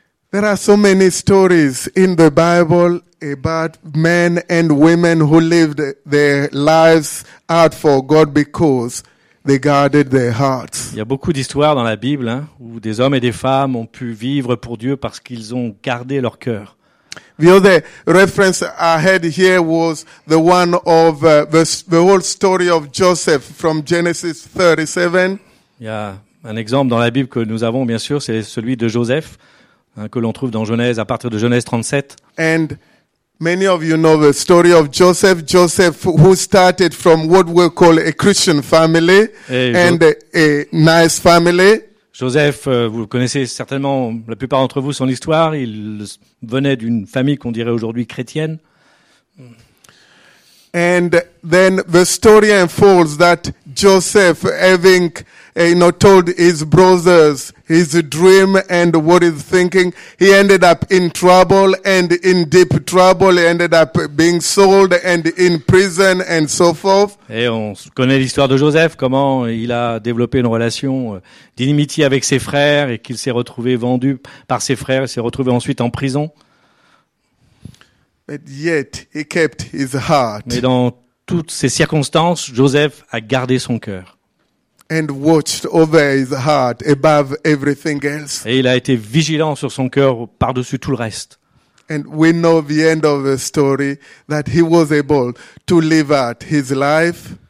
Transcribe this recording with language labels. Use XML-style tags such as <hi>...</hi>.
<en>There are so many stories in the Bible about men and women who lived their lives out for God because they guarded their hearts.</en> <fr>Il y a beaucoup d'histoires dans la Bible, hein, où des hommes et des femmes ont pu vivre pour Dieu parce qu'ils ont gardé leur cœur.</fr> <en>The other reference I had here was the one of the whole story of Joseph from Genesis 37.</en> <fr>Il y a un exemple dans la Bible que nous avons, bien sûr, c'est celui de Joseph. Que l'on trouve dans Genèse, à partir de Genèse 37.</fr> <en>And many of you know the story of Joseph. Joseph who started from what we call a Christian family and a nice family.</en> <fr>Joseph, vous connaissez certainement, la plupart d'entre vous, son histoire. Il venait d'une famille qu'on dirait aujourd'hui chrétienne.</fr> <en>And then the story unfolds that Joseph, having, you know, told his brothers his dream and what he's thinking, he ended up in trouble and in deep trouble. He ended up being sold and in prison and so forth.</en> <fr>Et on connaît l'histoire de Joseph, comment il a développé une relation d'inimitié avec ses frères et qu'il s'est retrouvé vendu par ses frères et s'est retrouvé ensuite en prison.</fr> <en>But yet he kept his heart.</en> <fr>Mais dans toutes ces circonstances, Joseph a gardé son cœur.</fr> <en>and watched over his heart above everything else.</en> <fr>Et il a été vigilant sur son cœur par-dessus tout le reste.</fr> <en>And we know the end of the story, that he was able to live out his life.</en>